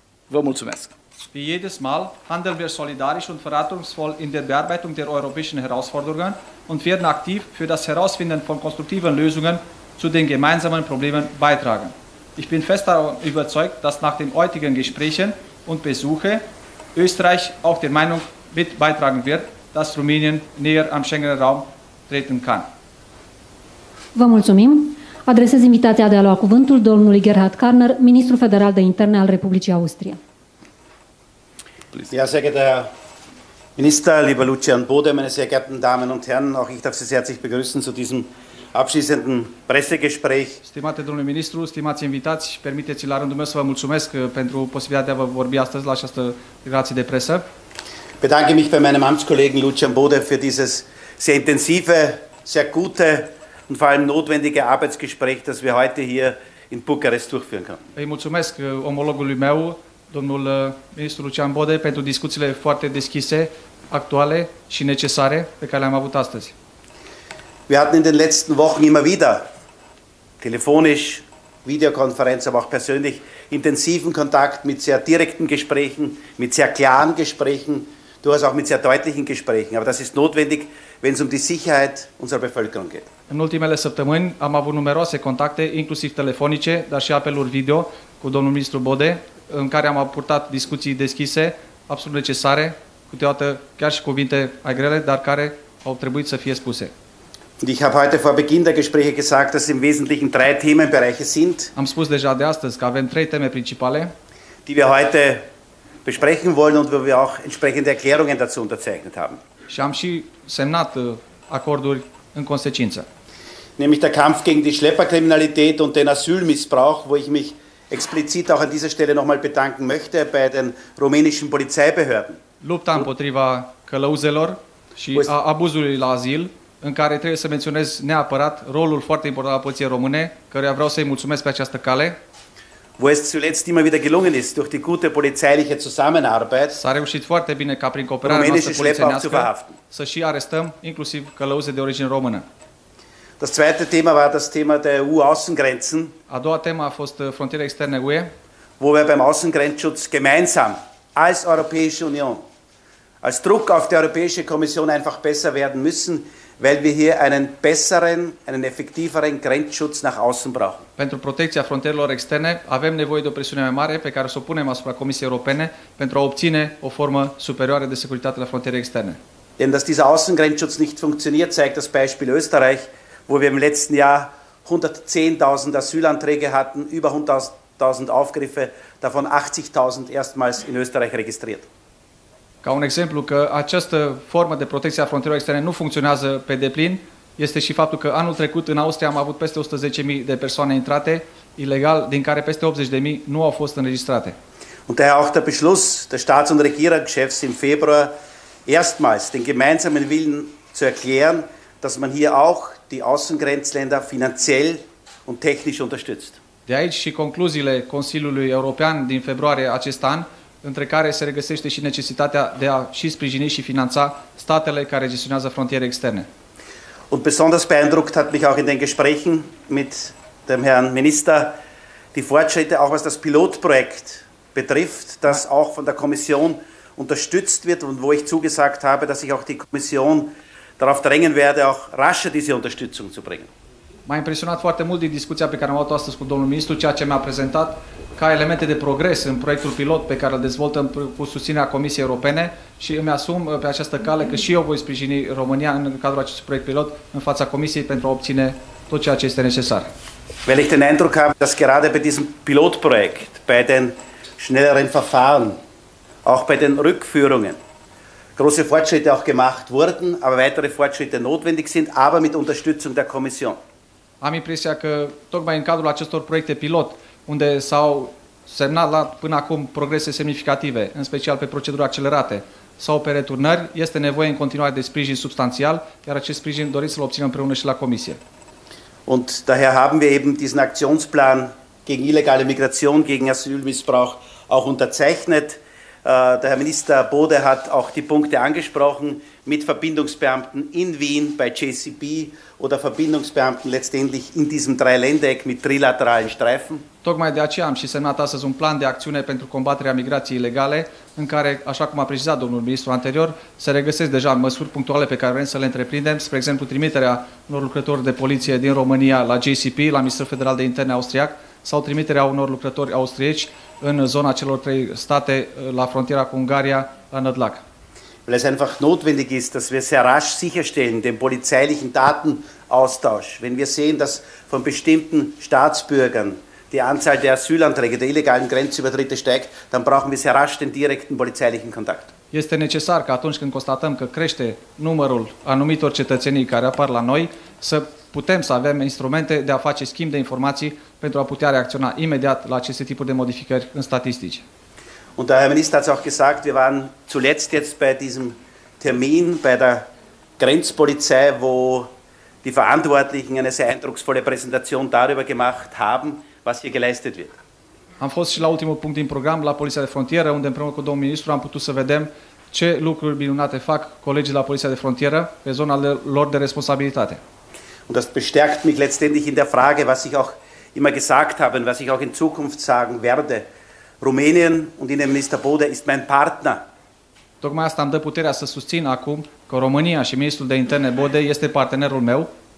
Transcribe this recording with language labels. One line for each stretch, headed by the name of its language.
Romanian: Vă mulțumesc!
German: Wie jedes Mal handeln wir solidarisch und verantwortungsvoll in der Bearbeitung der europäischen Herausforderungen und werden aktiv für das Herausfinden von konstruktiven Lösungen zu den gemeinsamen Problemen beitragen. Ich bin fest davon überzeugt, dass nach den heutigen Gesprächen und Besuche Österreich auch der Meinung mit beitragen wird, dass Rumänien näher am Schengener Raum treten kann.
Romanian: Vă mulțumim. Adresez invitația de a lua cuvântul domnului Gerhard Karner, Ministrul Federal de Interne al Republicii Austria.
German: Ja, sehr geehrter Herr Minister, lieber Lucian Bode, meine sehr geehrten Damen und Herren, auch ich darf Sie sehr herzlich begrüßen zu diesem abschließenden Pressegespräch.
Romanian: Stimate domnule ministru, stimați invitați, permiteți la rândul meu să vă mulțumesc pentru posibilitatea de a vă vorbi astăzi la această relație de presă.
German: Bedanke mich bei meinem Amtskollegen Lucian Bode für dieses sehr intensive, sehr gute und vor allem notwendige Arbeitsgespräch, das wir heute hier in Bucharest durchführen können.
Romanian: Îi mulțumesc omologului meu, domnul ministru Lucian Bode, pentru discuțiile foarte deschise, actuale și necesare pe care le-am avut astăzi.
German: Wir hatten in den letzten Wochen immer wieder telefonisch, Videokonferenz, aber auch persönlich intensiven Kontakt mit sehr direkten Gesprächen, mit sehr klaren Gesprächen, durchaus auch mit sehr deutlichen Gesprächen. Aber das ist notwendig, wenn es um die Sicherheit unserer Bevölkerung geht.
Romanian: În ultimele săptămâni am avut numeroase contacte, inclusiv telefonice, dar și apeluri video cu domnul ministru Bode, în care am purtat discuții deschise, absolut necesare, câteodată chiar și cuvinte mai grele, dar care au trebuit să fie spuse.
German: Und ich habe heute vor Beginn der Gespräche gesagt, dass im Wesentlichen drei Themenbereiche sind.
Romanian: Am spus deja de astăzi că avem trei teme principale,
German: die wir heute besprechen wollen und wo wir auch entsprechende Erklärungen dazu unterzeichnet haben.
Romanian: Și am și semnat acorduri în consecință.
German: Nämlich der Kampf gegen die Schlepperkriminalität und den Asylmissbrauch, wo ich mich explizit auch an dieser Stelle nochmal bedanken möchte bei den rumänischen Polizeibehörden.
Romanian: Lupta împotriva călăuzelor și abuzului la azil, în care trebuie să menționez neapărat rolul foarte important al poliției române, căruia vreau să-i mulțumesc pe această cale.
German: Wo es zuletzt immer wieder gelungen ist, durch die gute polizeiliche Zusammenarbeit,
Romanian: s-a reușit foarte bine ca prin cooperarea noastră polițienească să și arestăm inclusiv călăuze de origine română.
German: Das zweite Thema war das Thema der EU-Außengrenzen.
Romanian: A doua temă a fost frontiera externă UE.
German: Wo wir beim Außengrenzschutz gemeinsam als Europäische Union, als Druck auf die Europäische Kommission einfach besser werden müssen, weil wir hier einen besseren, einen effektiveren Grenzschutz nach außen brauchen.
Romanian: Pentru protecția frontierelor externe avem nevoie de o presiune mai mare pe care o să o punem asupra Comisiei Europene pentru a obține o formă superioară de securitate la frontierele externe.
German: Denn dass dieser Außengrenzschutz nicht funktioniert, zeigt das Beispiel Österreich, wo wir im letzten Jahr 110.000 Asylanträge hatten, über 100.000 Aufgriffe, davon 80.000 erstmals in Österreich registriert.
Romanian: Ca un exemplu că această formă de protecție a frontierelor externe nu funcționează pe deplin, este și faptul că anul trecut în Austria am avut peste 110.000 de persoane intrate ilegal, din care peste 80.000 nu au fost înregistrate.
German: Und daher auch der Beschluss der Staats- und Regierungschefs im Februar erstmals den gemeinsamen Willen zu erklären, dass man hier auch die Außengrenzländer finanziell und technisch unterstützt.
Romanian: De aici și concluziile Consiliului European din februarie acest an, între care se regăsește și necesitatea de a și sprijini și finanța statele care gestionează frontiere externe.
German: Und besonders beeindruckt hat mich auch in den Gesprächen mit dem Herrn Minister die Fortschritte, auch was das Pilotprojekt betrifft, das auch von der Kommission unterstützt wird und wo ich zugesagt habe, dass ich auch die Kommission darauf drängen werde, auch rascher diese Unterstützung zu bringen.
Romanian: M-a impresionat foarte mult din discuția pe care am avut-o astăzi cu domnul ministru, ceea ce mi-a prezentat ca elemente de progres în proiectul pilot pe care îl dezvoltăm cu susținerea Comisiei Europene și îmi asum pe această cale că și eu voi sprijini România în cadrul acestui proiect pilot în fața Comisiei pentru a obține tot ceea ce este necesar.
German: Weil ich den Eindruck habe, dass gerade bei diesem Pilotprojekt, bei den schnelleren Verfahren, auch bei den Rückführungen, große Fortschritte auch gemacht wurden, aber weitere Fortschritte notwendig sind, aber mit Unterstützung der Kommission.
Romanian: Am impresia că tocmai în cadrul acestor proiecte pilot, unde s-au semnalat până acum progrese semnificative, în special pe proceduri accelerate sau pe returnări, este nevoie în continuare de sprijin substanțial, iar acest sprijin doriți să-l obținem împreună și la Comisie.
German: Und daher haben wir eben diesen Aktionsplan gegen illegale Migration, gegen Asylmissbrauch auch unterzeichnet. Der Herr Minister Bode hat auch die Punkte angesprochen mit Verbindungsbeamten in Wien bei JCB oder Verbindungsbeamten letztendlich in diesem Dreiländereck mit trilateralen Streifen.
Romanian: Tocmai de aceea am și semnat astăzi un plan de acțiune pentru combaterea migrației ilegale, în care, așa cum a precizat domnul ministru anterior, se regăsesc deja măsuri punctuale pe care vrem să le întreprindem, spre exemplu trimiterea unor lucrători de poliție din România la JCP, la Ministerul Federal de Interne Austriac, sau trimiterea unor lucrători austrieci în zona celor trei state la frontiera cu Ungaria, la Nădlac.
German: Weil es einfach notwendig ist, dass wir sehr rasch sicherstellen den polizeilichen Datenaustausch. Wenn wir sehen, dass von bestimmten Staatsbürgern die Anzahl der Asylanträge, der illegalen Grenzübertritte steigt, dann brauchen wir sehr rasch den direkten polizeilichen Kontakt.
Romanian: Este necesar ca atunci când constatăm că crește numărul anumitor cetățenii care apar la noi, să putem să avem instrumente de a face schimb de informații pentru a putea reacționa imediat la aceste tipuri de modificări în statistici.
German: Und der Herr Minister hat es auch gesagt, wir waren zuletzt jetzt bei diesem Termin bei der Grenzpolizei, wo die Verantwortlichen eine sehr eindrucksvolle Präsentation darüber gemacht haben, was hier geleistet wird.
Romanian: Am fost și la ultimul punct din program, la Poliția de Frontieră, unde împreună cu domnul ministru am putut să vedem ce lucruri minunate fac colegii la Poliția de Frontieră pe zona lor de responsabilitate.
German: Und das bestärkt mich letztendlich in der Frage, was ich auch immer gesagt habe und was ich auch in Zukunft sagen werde. Rumänien und Innenminister Bode ist mein Partner.
Romanian: Tocmai asta îmi dă puterea să susțin acum că România și ministrul de interne Bode este partenerul meu.